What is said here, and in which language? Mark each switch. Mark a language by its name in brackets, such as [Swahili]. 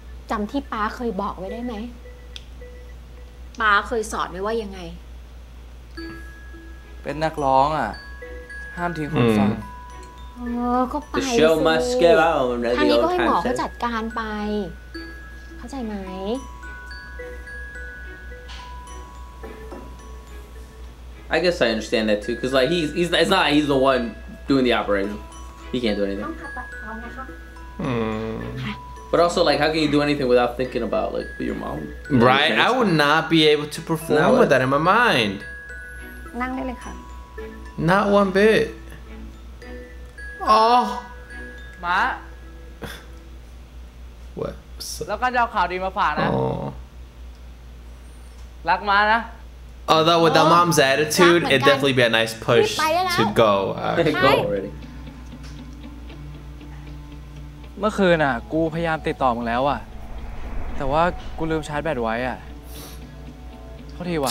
[Thai] จำที่ป้าเคยบอกไว้ได้ไหมป้าเคยสอนไว้ว่ายังไง เป็นนักร้องอ่ะห้ามทิ้งคนฟัง ก็ไปสิ [English] The show must get out [Thai] ทางนี้ก็ให้หมอเขาจัดการไปเข้าใจไหม [English] I guess I understand that too because like he's it's not like he's the one doing the operation he can't do anything [Thai] ต้องผ่าตัดเขานะคะ [English] But also, like, how can you do anything without thinking about, like, your mom? Right? I would not be able to perform with that in my mind. Not one bit. Oh. Ma. What? [Thai] แล้วก็จะเอาข่าวดีมาฝากนะรักม้านะ [English] Although with the mom's attitude it'd definitely be a nice push to go go already [Thai] เมื่อคืนน่ะกูพยายามติดต่อมึงแล้วอ่ะแต่ว่ากูลืมชาร์จแบตไว้อ่ะโทษทีว่ะ